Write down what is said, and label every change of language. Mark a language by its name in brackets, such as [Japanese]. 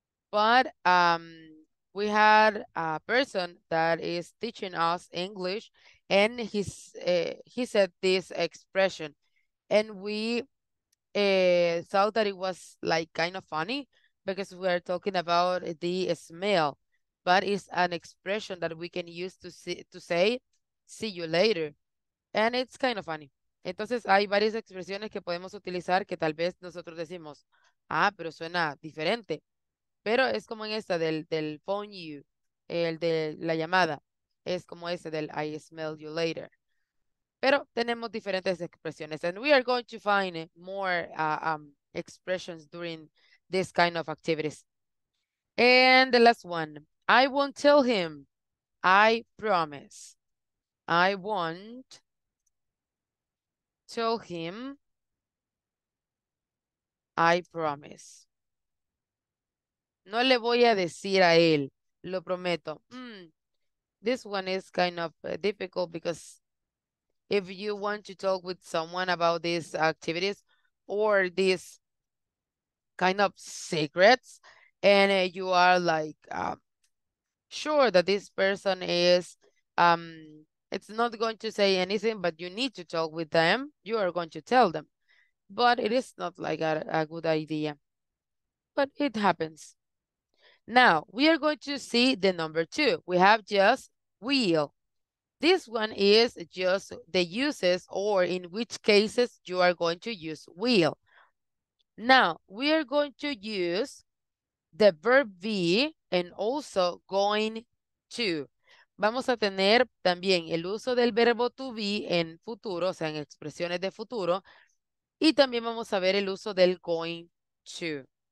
[English] But we had a person that is teaching us English, and he said this expression. And we thought that it was like kind of funny because we are talking about the smell. But it's an expression that we can use to say, see you later. And it's kind of funny. [Spanish] Entonces, hay varias expresiones que podemos utilizar que tal vez nosotros decimos, ah, pero suena diferente. Pero es como en esta del [English] phone you, [Spanish] el de la llamada. Es como ese del [English] I smell you later. [Spanish] Pero tenemos diferentes expresiones. [English] And we are going to find more expressions during this kind of activities. And the last one. I won't tell him. I promise. I won't tell him. I promise. [Spanish] No le voy a decir a él, lo prometo. [English] This one is kind of difficult because if you want to talk with someone about these activities or these kind of secrets, and you are like sure that this person is it's not going to say anything, but you need to talk with them, you are going to tell them. But it is not like a good idea. But it happens. Now, we are going to see the number two. We have just will. This one is just the uses or in which cases you are going to use will. Now, we are going to use the verb be and also going to. [Spanish] Vamos a tener también el uso del verbo to be en futuro, o sea, en expresiones de futuro. Y también vamos a ver el uso del going to.